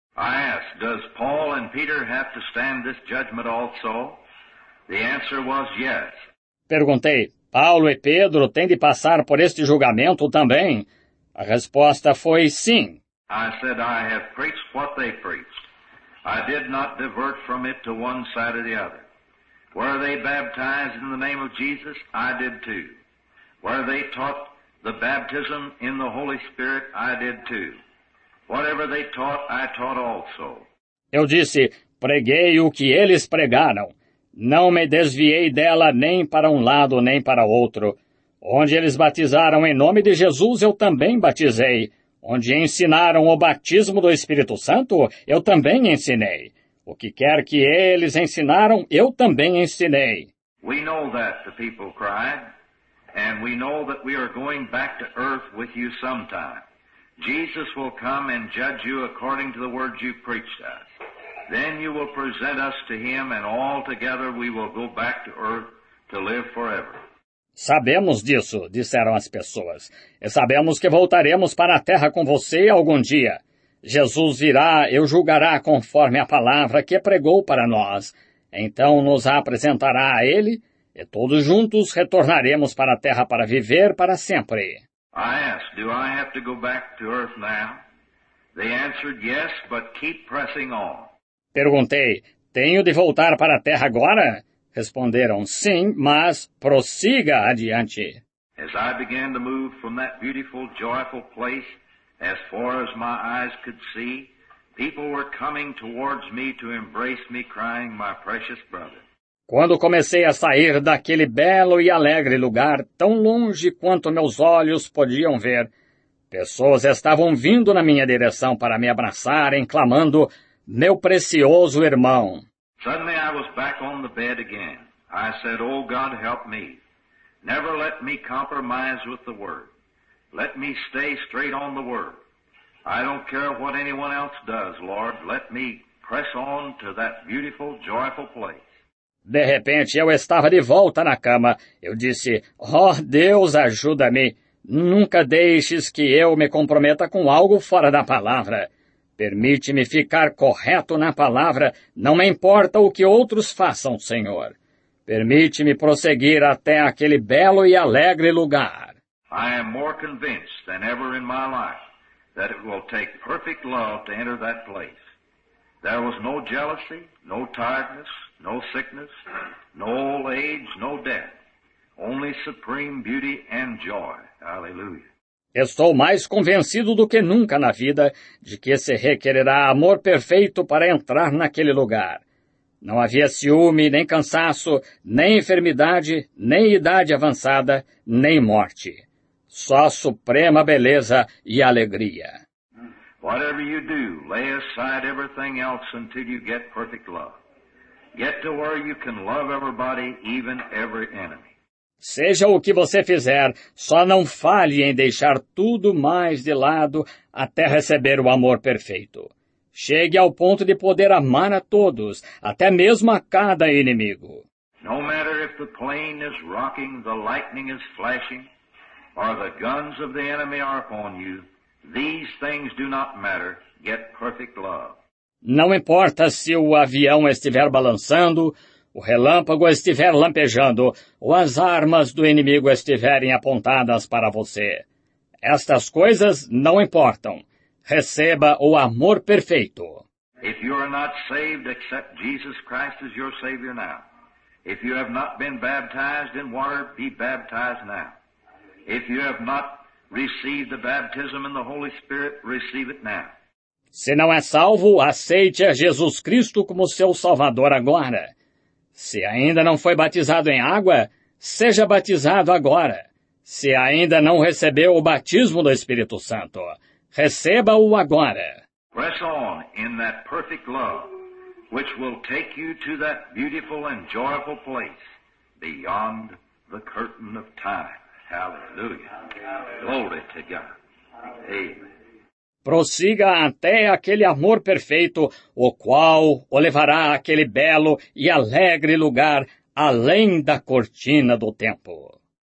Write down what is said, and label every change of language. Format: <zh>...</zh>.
<en>I asked, "Does Paul and Peter have to stand this judgment also?" The answer was yes.</en> <pt>Perguntei, "Paulo e Pedro têm de passar por este julgamento também?" A resposta foi sim.</pt> <en>I said, "I have preached what they preached. I did not divert from it to one side or the other. Were they baptized in the name of Jesus? I did too. Were they taught the baptism in the Holy Spirit? I did too. Whatever they taught, I taught also."</en> <pt>Eu disse, "Preguei o que eles pregaram. Não me desviei dela nem para um lado nem para outro. Onde eles batizaram em nome de Jesus, eu também batizei. Onde ensinaram o batismo do Espírito Santo, eu também ensinei. O que quer que eles ensinaram, eu também ensinei."</pt> <en>"We know that," the people cried. "And we know that we are going back to earth with you sometime. Jesus will come and judge you according to the words you preached us. Then you will present us to him, and all together we will go back to earth to live forever."</en> <pt>"Sabemos disso," disseram as pessoas. "E sabemos que voltaremos para a terra com você algum dia. Jesus virá e o julgará conforme a palavra que pregou para nós. Então nos apresentará a ele, e todos juntos retornaremos para a terra para viver para sempre."</pt> <en>I asked, "Do I have to go back to earth now?" They answered, "Yes, but keep pressing on."</en> <pt>Perguntei, "Tenho de voltar para a terra agora?" Responderam, "Sim, mas prossiga adiante."</pt> <en>As I began to move from that beautiful, joyful place, as far as my eyes could see, people were coming towards me to embrace me, crying, "My precious brother."</en> <pt>Quando comecei a sair daquele belo e alegre lugar, tão longe quanto meus olhos podiam ver, pessoas estavam vindo na minha direção para me abraçarem, clamando, "Meu precioso irmão."</pt> <en>Suddenly I was back on the bed again. I said, "Oh God, help me. Never let me compromise with the word. Let me stay straight on the word. I don't care what anyone else does, Lord. Let me press on to that beautiful, joyful place."</en> <pt>De repente, eu estava de volta na cama. Eu disse, "Oh, Deus, ajuda-me. Nunca deixes que eu me comprometa com algo fora da palavra. Permite-me ficar correto na palavra. Não me importa o que outros façam, Senhor. Permite-me prosseguir até aquele belo e alegre lugar.</pt> <en>I am more convinced than ever in my life that it will take perfect love to enter that place. There was no jealousy, no tiredness, no sickness, no old age, no death. Only supreme beauty and joy. Hallelujah.</en> <pt>Estou mais convencido do que nunca na vida de que se requererá amor perfeito para entrar naquele lugar. Não havia ciúme, nem cansaço, nem enfermidade, nem idade avançada, nem morte. Só suprema beleza e alegria.</pt> <en>Whatever you do, lay aside everything else until you get perfect love. Get to where you can love everybody, even every enemy.</en> <pt>Seja o que você fizer, só não falhe em deixar tudo mais de lado até receber o amor perfeito. Chegue ao ponto de poder amar a todos, até mesmo a cada inimigo.</pt> <en>No matter if the plane is rocking, the lightning is flashing, or the guns of the enemy are upon you, these things do not matter. Get perfect love.</en> <pt>Não importa se o avião estiver balançando, o relâmpago estiver lampejando ou as armas do inimigo estiverem apontadas para você. Estas coisas não importam. Receba o amor perfeito.</pt> <en>If you are not saved, accept Jesus Christ as your Savior now. If you have not been baptized in water, be baptized now. If you have not received the baptism in the Holy Spirit, receive it now.</en> <pt>Se não é salvo, aceite a Jesus Cristo como seu Salvador agora. Se ainda não foi batizado em água, seja batizado agora. Se ainda não recebeu o batismo do Espírito Santo, receba-o agora.</pt> <en>Press on in that perfect love, which will take you to that beautiful and joyful place beyond the curtain of time. Hallelujah. Glory to God. Amen.</en> <pt>Prossiga até aquele amor perfeito, o qual o levará àquele belo e alegre lugar além da cortina do tempo.</pt>